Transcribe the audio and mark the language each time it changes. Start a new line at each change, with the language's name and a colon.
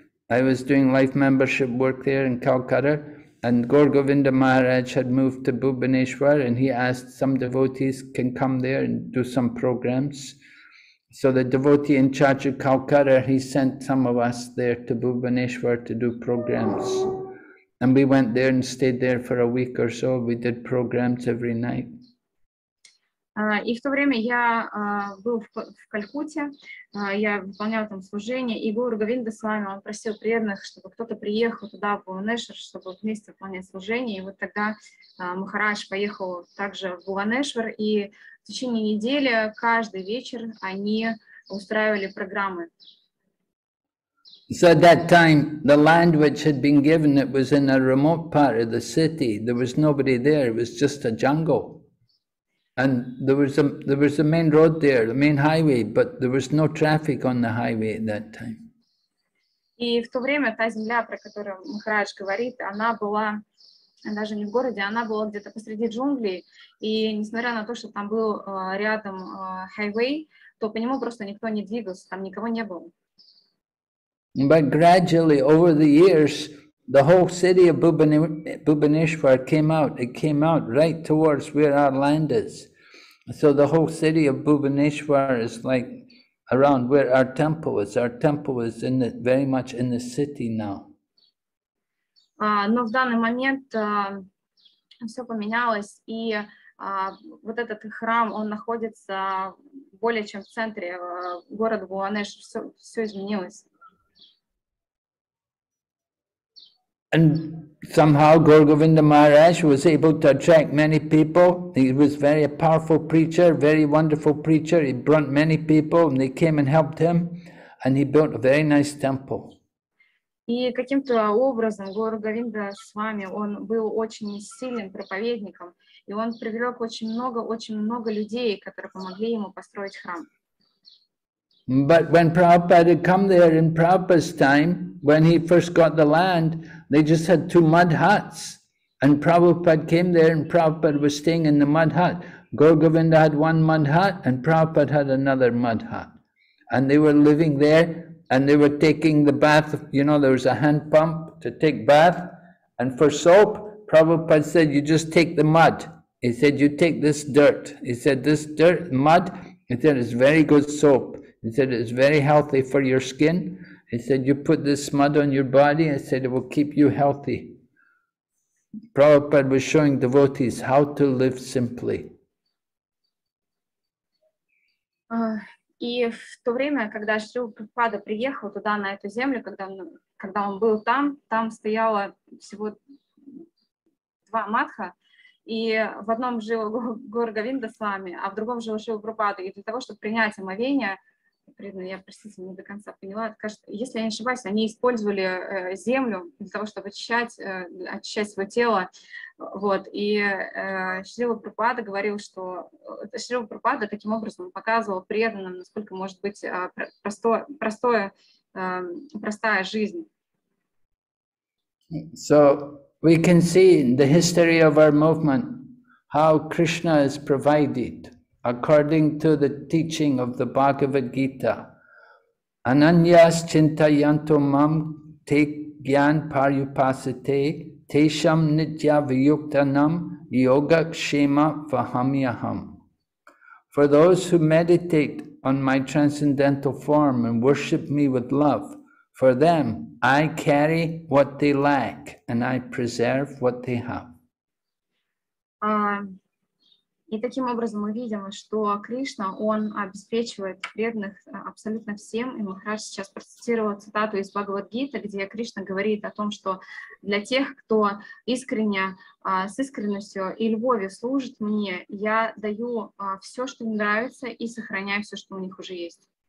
English: I was doing life membership work there in Calcutta, and Gaur Govinda Maharaj had moved to Bhubaneswar, and he asked some devotees can come there and do some programs. So the devotee in charge of Calcutta, he sent some of us there to Bhubaneswar to do programs. And we went there and stayed there for a week or so. We did programs every night.
Russian: И в то время я был в Калькутте, я выполнял там служение, и Гаур Говинда с вами, он просил преданных, чтобы кто-то приехал туда, в Бхуванешвар, чтобы вместе выполнять служение. И вот тогда Махарадж поехал также в Бхуванешвар, и в течение недели каждый вечер они устраивали программы.
English: So at that time, the land which had been given, it was in a remote part of the city. There was nobody there, it was just a jungle. And there was a main road there, the main highway, but there was no traffic on the highway at that time.
Russian: И в то время та земля, про которую Махарадж говорит, она была даже не в городе, она была где-то посреди джунглей. И несмотря на то, что там был рядом highway, то по нему просто никто не двигался, там никого не было.
English: But gradually, over the years, the whole city of Bhubaneswar came out. It came out right towards where our land is. So the whole city of Bhubaneswar is like around where our temple is. Our temple is in the, very much in the city now.
Russian: Но в данный момент все поменялось, и вот этот храм, он находится более чем в центре города Буанеш, все изменилось.
English: And somehow Guru Govinda Maharaj was able to attract many people. He was very a powerful preacher, very wonderful preacher. He brought many people and they came and helped him. And he built a very nice temple.
Russian: И каким-то образом Гуру Говинда Свами, он был очень сильным проповедником, и он привлек очень много людей, которые помогли ему построить храм.
English: But when Prabhupada had come there in Prabhupada's time, when he first got the land, they just had two mud huts. And Prabhupada came there and Prabhupada was staying in the mud hut. Гуру Говинда had one mud hut and Prabhupada had another mud hut. And they were living there, and they were taking the bath, you know, there was a hand pump to take bath. And for soap, Prabhupada said, you just take the mud. He said, you take this dirt. He said, this dirt, mud, he said, it's very good soap. He said, it's very healthy for your skin. He said, you put this mud on your body, he said, it will keep you healthy. Prabhupada was showing devotees how to live simply.
Russian: И в то время, когда Шри Прабхупада приехал туда, на эту землю, когда он был там, там стояло всего два матха, и в одном жил Гуру Говинда Свами, а в другом жил Шри Прабхупада. И для того, чтобы принять омовение, я, простите, не до конца поняла, если я не ошибаюсь, они использовали землю для того, чтобы очищать свое тело. Вот. И Шри Прабхупада говорил, что Шри Прабхупада таким образом показывал преданным, насколько может быть простая жизнь.
English: So we can see in the history of our movement how Krishna is provided according to the teaching of the Bhagavad Gita.
Sanskrit: Ananyas chintayanto mam te gyan paryupasate tesham nitya vyuktanam yoga kshema vahamyaham.
English: For those who meditate on my transcendental form and worship me with love, for them I carry what they lack and I preserve what they have.
Russian: И таким образом мы видим, что Кришна, он обеспечивает преданных абсолютно всем. И Махарадж сейчас процитировал цитату из Бхагавад-гиты, где Кришна говорит о том, что для тех, кто искренне, с искренностью и любовью служит мне, я даю все, что им нравится, и сохраняю все, что у них уже есть.